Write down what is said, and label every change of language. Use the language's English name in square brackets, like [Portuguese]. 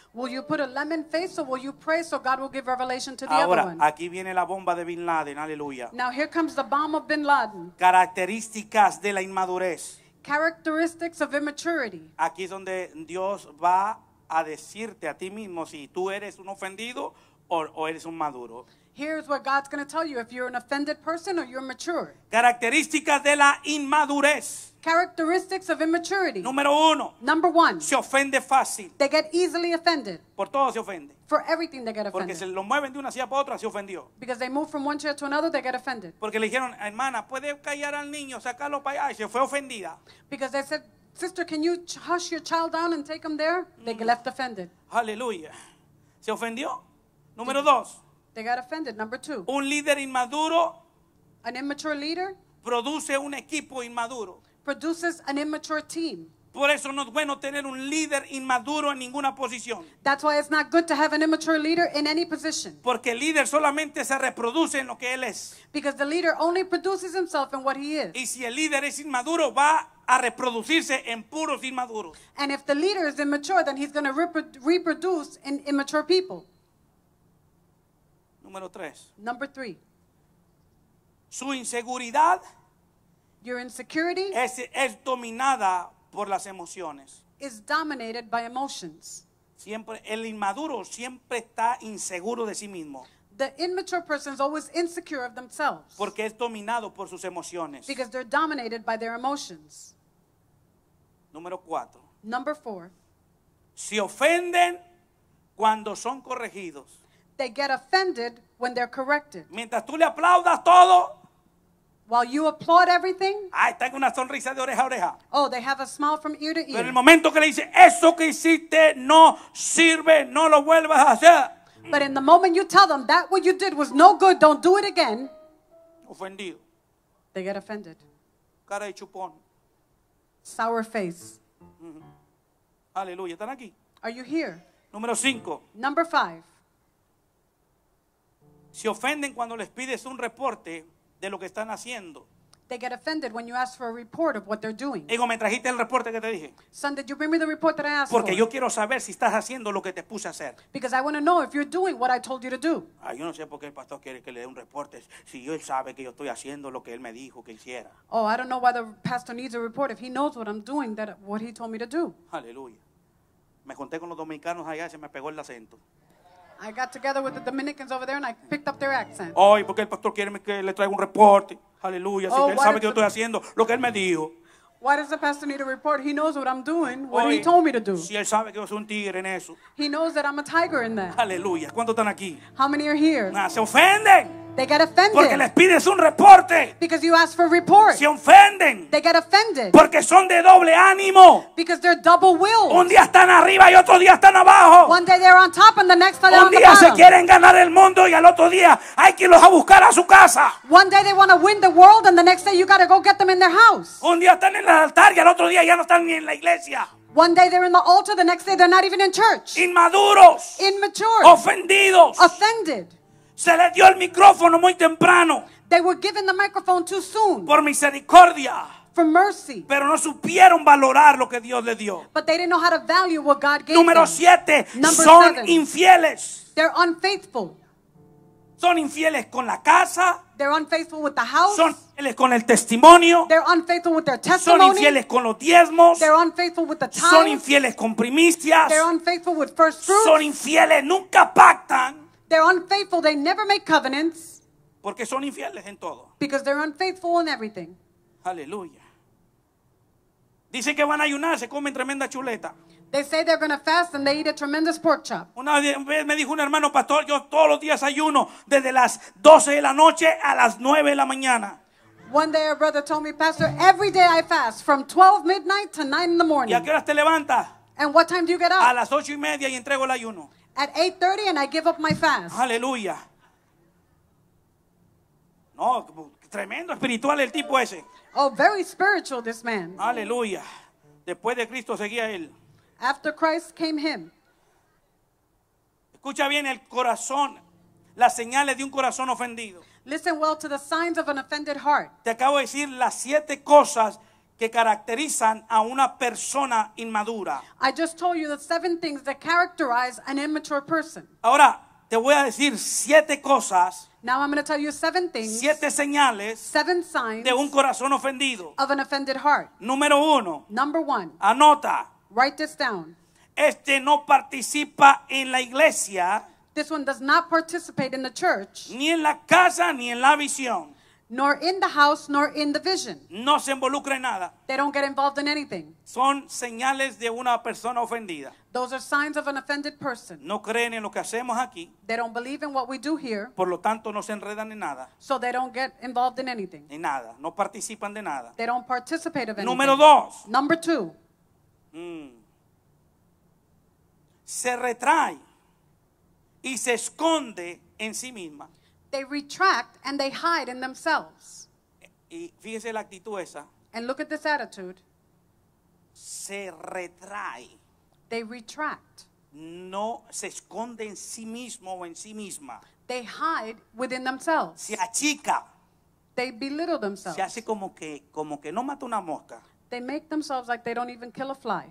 [English] Will you put a lemon face or will you pray so God will give revelation to the [Spanish] Ahora, [English] other one? [Spanish] Ahora, aquí viene la bomba de Bin Laden, aleluya. [English] Now here comes the bomb of Bin Laden. [Spanish] Características de la inmadurez. [English] Characteristics of immaturity. [Spanish] Aquí es donde Dios va a decirte a ti mismo si tú eres un ofendido o eres un maduro. [English] Here's what God's going to tell you if you're an offended person or you're mature. [Spanish] Características de la inmadurez. [English] Characteristics of immaturity. [Spanish] Número uno. [English] Number one. [Spanish] Se ofende fácil. [English] They get easily offended. [Spanish] Por todo se ofende. [English] For everything they get offended. [Spanish] Porque se lo mueven de una silla para otra, se ofendió. [English] Because they move from one chair to another, they get offended. [Spanish] Porque le dijeron, hermana, ¿puede callar al niño, sacarlo para allá? Y se fue ofendida. [English] Because they said, sister, can you hush your child down and take him there? They left offended. [Spanish] Hallelujah. Se ofendió. Número dos. [English] They got offended. Number two. [Spanish] Un líder inmaduro. [English] An immature leader. [Spanish] Produce un equipo inmaduro. [English] Produces an immature team. [Spanish] Por eso no es bueno tener un líder inmaduro en ninguna posición. [English] That's why it's not good to have an immature leader in any position. [Spanish] Porque el líder solamente se reproduce en lo que él es. [English] Because the leader only produces himself in what he is. [Spanish] Y si el líder es inmaduro, va a reproducirse en puros inmaduros. [English] And if the leader is immature, then he's going to reproduce in immature people. [Spanish] Número tres. [English] Number three. [Spanish] Su inseguridad. [English] Your insecurity. [Spanish] Es dominada por las emociones. [English] Is dominated by emotions. [Spanish] Siempre, el inmaduro siempre está inseguro de sí mismo. [English] The immature person is always insecure of themselves. [Spanish] Porque es dominado por sus emociones. [English] Because they're dominated by their emotions. [Spanish] Número cuatro. [English] Number four. [Spanish] Se ofenden cuando son corregidos. [English] They get offended when they're corrected. [Spanish] Mientras tú le aplaudas todo, [English] while you applaud everything, [Spanish] ay, tengo una sonrisa de oreja a oreja. [English] Oh, they have a smile from ear to ear. [Spanish] Pero en el momento que le dice, eso que hiciste no sirve, no lo vuelvas a hacer. [English] But in the moment you tell them that what you did was no good, don't do it again. [Spanish] Ofendido. [English] They get offended. [Spanish] Cara de chupón. [English] Sour face. [Spanish] Mm-hmm. Aleluya, ¿están aquí? [English] Are you here? [Spanish] Número cinco. [English] Number five. [Spanish] Se ofenden cuando les pides un reporte de lo que están haciendo. [English] They get offended when you ask for a report of what they're doing. [Spanish] Digo, ¿me trajiste el reporte que te dije? [English] Son, did you bring me the report that I asked [Spanish] Porque Porque yo quiero saber si estás haciendo lo que te puse a hacer. [English] Because I want to know if you're doing what I told you to do. [Spanish] Ay, yo no sé por qué el pastor quiere que le dé un reporte si él sabe que yo estoy haciendo lo que él me dijo que hiciera. [English] Oh, I don't know why the pastor needs a report if he knows what I'm doing, that what he told me to do. [Spanish] Aleluya. Me junté con los dominicanos allá y se me pegó el acento. [English] I got together with the Dominicans over there and I picked up their accent. [Spanish] Ay, porque el pastor quiere que le traiga un reporte. Aleluya, si él sabe que yo estoy haciendo lo que él me dijo. [English] Why does the pastor need a report? He knows what I'm doing, what he told me to do. [Spanish] Si él sabe que yo soy un tigre en eso. [English] He knows that I'm a tiger in that. [Spanish] Aleluya, ¿cuántos están aquí? [English] How many are here? [Spanish] Nah, se ofenden. [English] They get offended. [Spanish] Porque les pides un reporte. [English] Because you ask for a report. [Spanish] Se ofenden. [English] They get offended. [Spanish] Porque son de doble ánimo. [English] Because they're double-willed. [Spanish] Un día están arriba y otro día están abajo. [English] One day they're on top and the next day they're on the bottom. [Spanish] Un día se quieren ganar el mundo y al otro día hay que irlos a buscar a su casa. [English] One day they want to win the world and the next day you got to go get them in their house. [Spanish] Un día están en el altar y al otro día ya no están ni en la iglesia. [English] One day they're in the altar, the next day they're not even in church. [Spanish] Inmaduros. [English] Immature. [Spanish] Ofendidos. [English] Offended. [Spanish] Se le dio el micrófono muy temprano. [English] They were given the microphone too soon. [Spanish] Por misericordia. [English] For mercy. [Spanish] Pero no supieron valorar lo que Dios le dio. [English] But they didn't know how to value what God gave [Spanish] Número Siete. [English] Number [Spanish] son [English] seven. [Spanish] Infieles. [English] They're unfaithful. [Spanish] Son infieles con la casa. [English] They're unfaithful with the house. [Spanish] Son infieles con el testimonio. [English] They're unfaithful with their testimony. [Spanish] Son infieles con los diezmos. [English] They're unfaithful with the tithes. [Spanish] Son infieles con primicias. [English] They're unfaithful with first fruits. [Spanish] Son infieles, nunca pactan. [English] They're unfaithful. They never make covenants. [Spanish] Porque son infieles en todo. [English] Because they're unfaithful in everything. [Spanish] Hallelujah. Dicen que van a ayunar, se comen tremenda chuleta. [English] They say they're going to fast and they eat a tremendous pork chop. [Spanish] Una vez me dijo un hermano, pastor, yo todos los días ayuno desde las 12 de la noche a las 9 de la mañana. [English] One day a brother told me, pastor, every day I fast from 12 midnight to 9 in the morning. [Spanish] ¿Y a qué horas te levantas? [English] And what time do you get up? [Spanish] A las 8 y media y entrego el ayuno. [English] At 8:30 and I give up my fast. Hallelujah. [Spanish] No, tremendo espiritual el tipo ese. [English] Oh, very spiritual this man. [Spanish] Aleluya. Después de Cristo seguía él. [English] After Christ came him. [Spanish] Escucha bien el corazón, las señales de un corazón ofendido. [English] Listen well to the signs of an offended heart. [Spanish] Te acabo de decir las siete cosas que caracterizan a una persona inmadura. [English] I just told you the seven things that characterize an immature person. [Spanish] Ahora te voy a decir siete cosas. [English] Now I'm going to tell you seven things. [Spanish] Siete señales. [English] Seven signs. [Spanish] De un corazón ofendido. [English] Of an offended heart. [Spanish] Número uno. [English] Number one. [Spanish] Anota. [English] Write this down. [Spanish] Este no participa en la iglesia. [English] This one does not participate in the church. [Spanish] Ni en la casa ni en la visión. [English] Nor in the house nor in the vision. [Spanish] No se involucra en nada. [English] They don't get involved in anything. [Spanish] Son señales de una persona ofendida. [English] Those are signs of an offended person. [Spanish] No creen en lo que hacemos aquí. [English] They don't believe in what we do here. [Spanish] Por lo tanto, no se enredan en nada. [English] So they don't get involved in anything. [Spanish] En nada. No participan de nada. [English] They don't participate of anything. [Spanish] Número dos. [English] Number two. [Spanish] Se retrae y se esconde en sí misma. [English] They retract and they hide in themselves. [Spanish] Y fíjese la actitud esa. [English] And look at this attitude. [Spanish] Se retrae. [English] They retract. [Spanish] No se esconde en sí mismo o en sí misma. [English] They hide within themselves. [Spanish] Se achica. [English] They belittle themselves. [Spanish] Se hace como que no mata una mosca. [English] They make themselves like they don't even kill a fly.